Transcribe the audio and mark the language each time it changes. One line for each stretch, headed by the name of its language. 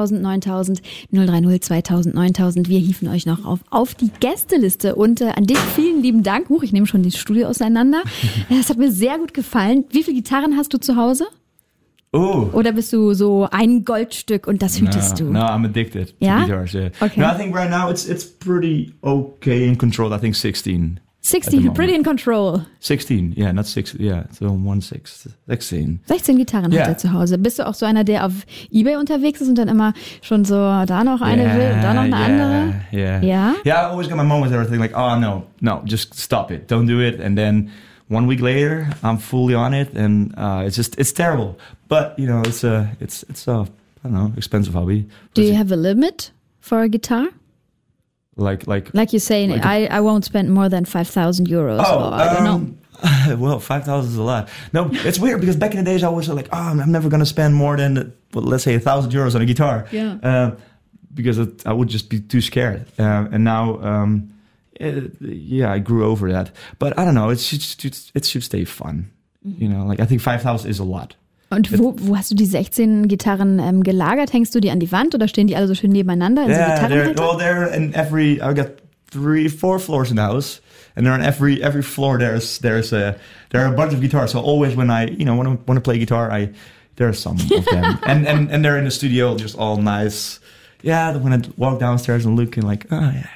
German: 030-2000-9000. Wir hieven euch noch auf die Gästeliste. Und an dich vielen lieben Dank. Ich nehme schon das Studio auseinander. Das hat mir sehr gut gefallen. Wie viele Gitarren hast du zu Hause? Oh. Oder bist du so ein Goldstück und das hütest du?
English: No, I'm addicted to guitars. Yeah. Okay. No, I think right now it's pretty okay in control. I think 16. 16, you're pretty in control. 16, yeah, not 6, yeah, so 1-6, 16.
German: 16 Gitarren hat er zu Hause. Bist du auch so einer, der auf eBay unterwegs ist und dann immer schon so da noch eine will und da noch eine andere?
English: Yeah. Yeah, I always got my mom with everything, like, oh, no, just stop it, don't do it, and then 1 week later, I'm fully on it, and it's terrible. But you know, it's a I don't know, expensive hobby. Do you have a limit for a guitar? Like you say, like I won't spend more than 5,000 euros. Oh, or, I don't know. Well, 5,000 is a lot. No, it's weird because back in the days I was like, oh, I'm never going to spend more than, well, let's say, 1,000 euros on a guitar. Yeah. Because I would just be too scared. And now, I grew over that. But I don't know, it should stay fun. Mm-hmm. You know, like I think 5,000 is a lot.
German: Und wo hast du die 16 Gitarren gelagert? Hängst du die an die Wand oder stehen die alle so schön nebeneinander in so Gitarrenhalter?
English: Well, they're in every, I've got 3-4 floors in the house. And they're on every floor. There are a bunch of guitars. So always when I, you know, want to play guitar, there are some of them. and they're in the studio, just all nice. Yeah, when I walk downstairs and look and like, oh yeah.